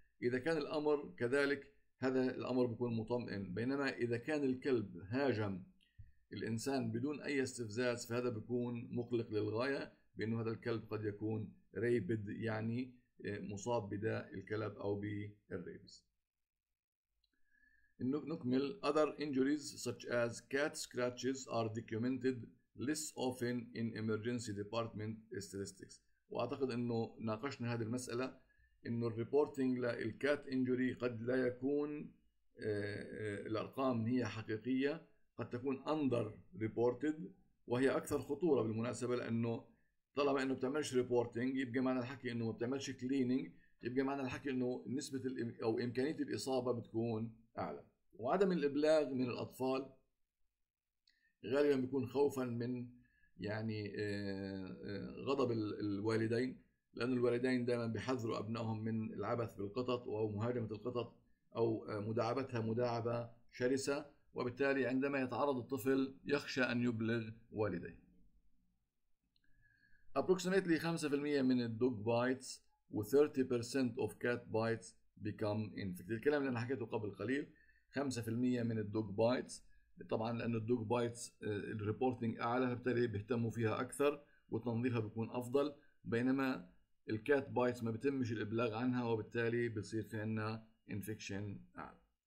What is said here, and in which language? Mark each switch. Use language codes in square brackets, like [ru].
[ar] اذا كان الامر كذلك هذا الامر بيكون مطمئن، بينما اذا كان الكلب هاجم الانسان بدون اي استفزاز فهذا بيكون مقلق للغايه، بانه هذا الكلب قد يكون ريبد، يعني مصاب بداء الكلب او بالريبز. نكمل. [en] Other injuries such as cat scratches are documented less often in emergency department statistics. [ar] وأعتقد أنه ناقشنا هذه المسألة، أنه الريبورتينج للكات انجوري قد لا يكون الأرقام هي حقيقية، قد تكون [en] under reported [ar] وهي أكثر خطورة بالمناسبة، لأنه طالما أنه بتعملش reporting يبقى معنى الحكي أنه بتعملش cleaning، يبقى معنى الحكي أنه نسبة أو إمكانية الإصابة بتكون أعلى. وعدم الإبلاغ من الأطفال غالبا بيكون خوفا من يعني غضب الوالدين، لأن الوالدين دائما بيحذروا أبنائهم من العبث بالقطط أو مهاجمة القطط أو مداعبتها مداعبة شرسة، وبالتالي عندما يتعرض الطفل يخشى أن يبلغ والديه. [en] Approximately 5% [ar] من الدوغ بايتس و [en] 30% of cat bites become infected. [ar] الكلام اللي أنا حكيته قبل قليل، 5% من الدوغ بايتس، طبعا لأنه الدوغ بايتس الريبورتينج أعلى فبالتالي بيهتموا فيها أكثر وتنظيفها بيكون أفضل، بينما الكات بايتس ما بتمش الإبلاغ عنها وبالتالي بيصير في عنا infection أعلى.